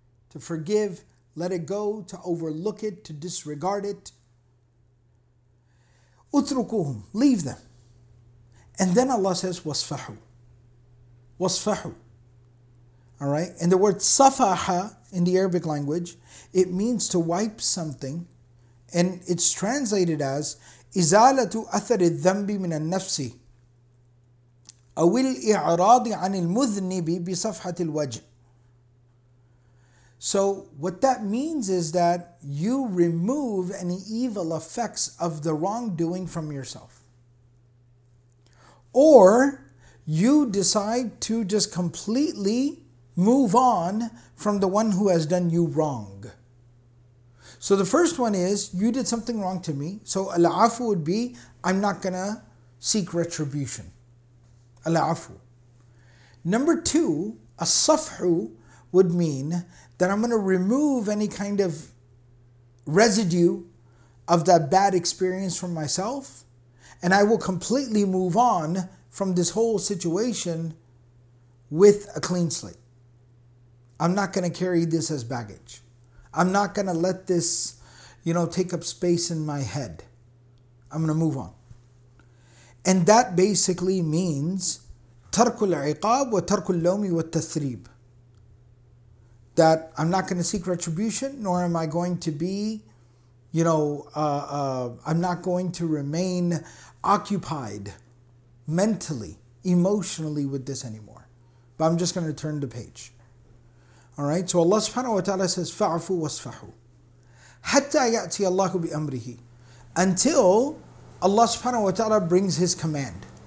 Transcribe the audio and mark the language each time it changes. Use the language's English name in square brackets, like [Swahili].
[English] To forgive, let it go, to overlook it, to disregard it. اُتْرُكُوهُمْ. Leave them. And then Allah says, وَاسْفَحُوا. وَاسْفَحُوا. Alright? And the word safaha in the Arabic language, it means to wipe something. And it's translated as, [Arabic] إِزَالَةُ أَثَرِ الذَّنْبِ مِنَ النَّفْسِ أَوِ الْإِعْرَاضِ عَنِ الْمُذْنِبِ بِصَفْحَةِ الْوَجْهِ. [English] So what that means is that you remove any evil effects of the wrongdoing from yourself. Or you decide to just completely move on from the one who has done you wrong. So the first one is, you did something wrong to me. So al-afu would be, I'm not going to seek retribution. Al-afu. Number two, as-safhu would mean that I'm going to remove any kind of residue of that bad experience from myself, and I will completely move on from this whole situation with a clean slate. I'm not going to carry this as baggage. I'm not going to let this, you know, take up space in my head. I'm going to move on. And that basically means [Arabic] تَرْكُ الْعِقَابِ وَتَرْكُ اللَّوْمِ وَالتَّثْرِيبِ. [English] That I'm not going to seek retribution, nor am I going to be you know, I'm not going to remain occupied mentally, emotionally with this anymore. But I'm just going to turn the page. All right, so Allah subhanahu wa ta'ala says, [Arabic] فَعْفُوا وَاسْفَحُوا حَتَّى يَأْتِيَ اللَّهُ بِأَمْرِهِ [English] until Allah subhanahu wa ta'ala brings His command.